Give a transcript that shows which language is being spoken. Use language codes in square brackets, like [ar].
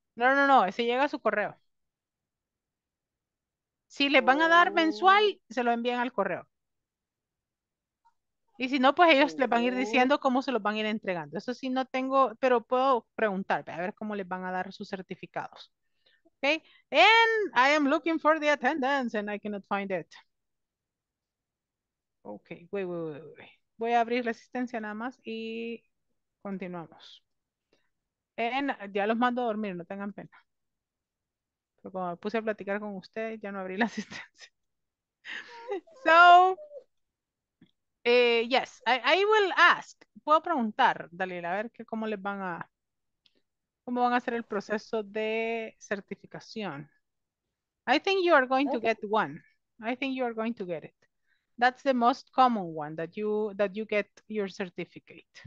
[es] No. Ese llega a su correo. Si les van a dar mensual, se lo envían al correo. Y si no, pues ellos les van a ir diciendo cómo se los van a ir entregando. Eso sí no tengo, pero puedo preguntar, a ver cómo les van a dar sus certificados. [en] Okay. And I am looking for the attendance and I cannot find it. Okay, wait. [es] Voy a abrir la asistencia nada más y continuamos. And ya los mando a dormir, no tengan pena. Pero como me puse a platicar con usted, ya no abrí la asistencia. So... [en] yes, I will ask. [es] Puedo preguntar, Dalila, a ver que cómo van a hacer el proceso de certificación. [en] I think you are going to get one. I think you are going to get it. That's the most common one that you get your certificate.